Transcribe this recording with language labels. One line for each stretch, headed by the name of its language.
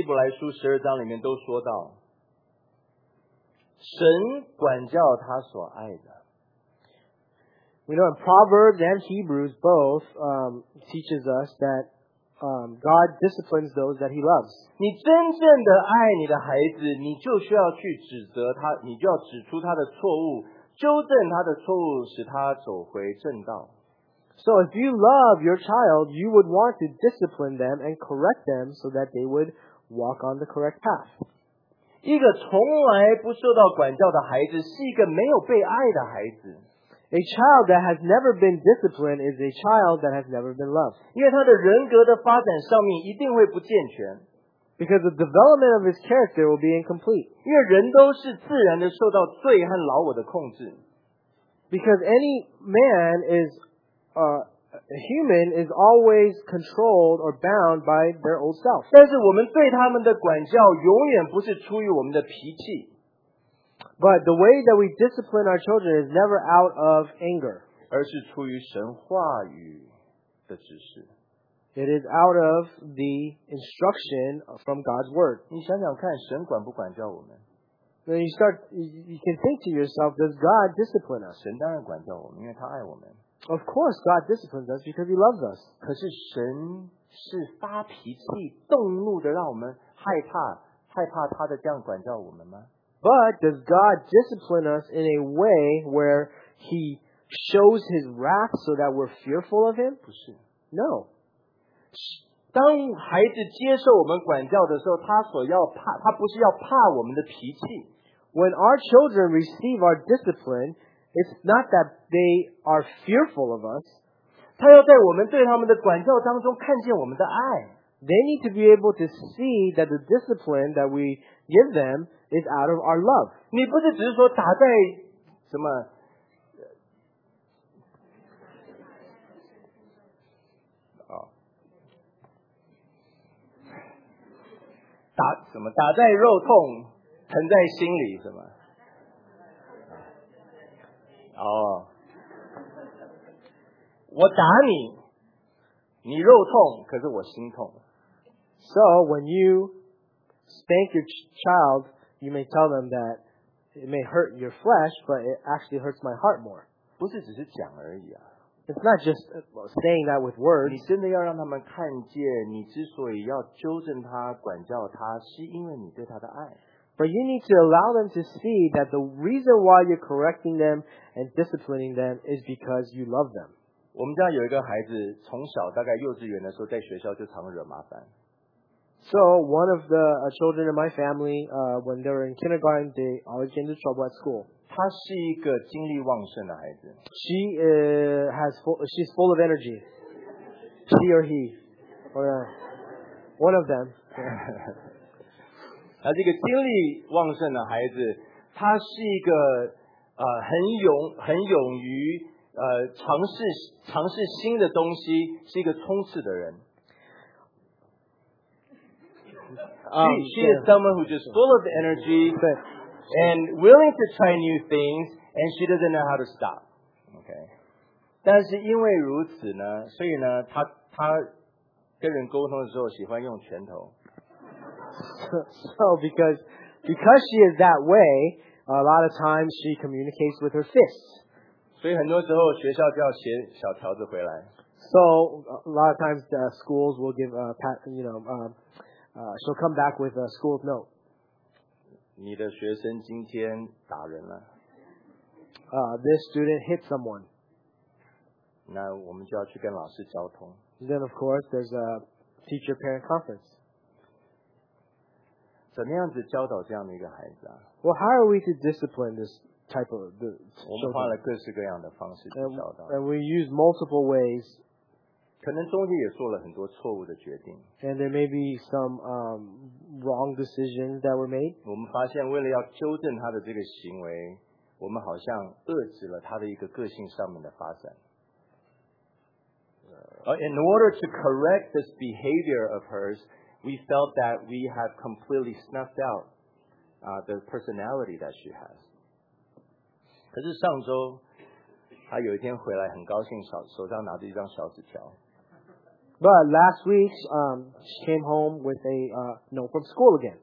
Chinese: 箴言13章跟希伯来书12章里面都说到， 神管教他所爱的。
English: We know in Proverbs and Hebrews both teaches us that God disciplines those that he loves.
Chinese: 你真正的爱你的孩子，你就需要去指责他，你就要指出他的错误，纠正他的错误，使他走回正道。
English: So if you love your child, you would want to discipline them and correct them so that they would walk on the correct path.
Chinese: 一个从来不受到管教的孩子是一个没有被爱的孩子。
English: A child that has never been disciplined is a child that has never been loved.
Chinese: 因为他的人格的发展上面一定会不健全。
English: Because the development of his character will be incomplete.
Chinese: 因为人都是自然的受到罪和老我的控制。
English: Because any man is, a human is always controlled or bound by their old self.
Chinese: 但是我们对他们的管教永远不是出于我们的脾气。
English: But the way that we discipline our children is never out of anger.
Chinese: 而是出于神话语的指示。
English: It is out of the instruction from God's word.
Chinese: 你想想看神管不管教我们。
English: Then you can think to yourself, does God discipline us?
Chinese: 神当然管教我们因为他爱我们。
English: Of course, God disciplines us because he loves us.
Chinese: 可是神是发脾气动怒的让我们害怕他的这样管教我们吗？
English: But does God discipline us in a way where he shows his wrath so that we're fearful of him?
Chinese: 不是。
English: No.
Chinese: 当孩子接受我们管教的时候他不是要怕我们的脾气。
English: When our children receive our discipline, it's not that they are fearful of us.
Chinese: 他要在我们对他们的管教当中看见我们的爱。
English: They need to be able to see that the discipline that we give them is out of our love.
Chinese: 你不是只是说打在什么、打什么打在肉痛疼在心里什么、我打你你肉痛可是我心痛。
English: So, when you spank your child, you may tell them that it may hurt your flesh, but it actually hurts my heart more.
Chinese: 不是只是讲而已啊。
English: It's not just saying that with words.
Chinese: 你真的要让他们看见你之所以要纠正他、管教他是因为你对他的爱。
English: But you need to allow them to see that the reason why you're correcting them and disciplining them is because you love them.
Chinese: 我们家有一个孩子从小大概幼稚园的时候在学校就常惹麻烦。
English: So, one of the children in my family, when they were in kindergarten, they always get into trouble at school.
Chinese: 她是一个精力旺盛的孩子。
English: She's full of energy. She or he. Or, one of them.
Chinese: 她是一个精力旺盛的孩子。她是一个很勇于尝试新的东西，是一个冲刺的人。
English: She is someone who's just full of energy and willing to try new things, and she doesn't know how to stop. Okay.
Chinese: 但是因为如此呢，所以呢，她跟人沟通的时候喜欢用拳头。
English: So because she is that way, a lot of times she communicates with her fists.
Chinese: 所以很多时候学校就要写小条子回来。
English: So a lot of times the schools will give she'll come back with a school note.
Chinese: 你的学生今天打人了。
English: This student hit someone.
Chinese: 那我们就要去跟老师交通。
English: Then of course there's a teacher-parent conference.
Chinese: 怎么样子教导这样的一个孩子啊？
English: Well, how are we to discipline this type of the children?
Chinese: 我们花了各式各样的方式去教导。
English: And we use multiple ways.
Chinese: 可能中间也做了很多错误的决定。
English: And there may be some, wrong decisions that were made.
Chinese: 我们发现为了要纠正他的这个行为，我们好像遏制了他的一个个性上面的发展。
English: In order to correct this behavior of hers, we felt that we have completely snuffed out, the personality that she has.
Chinese: 可是上周，他有一天回来很高兴，手上拿着一张小纸条。
English: But last week, she came home with a note from school again.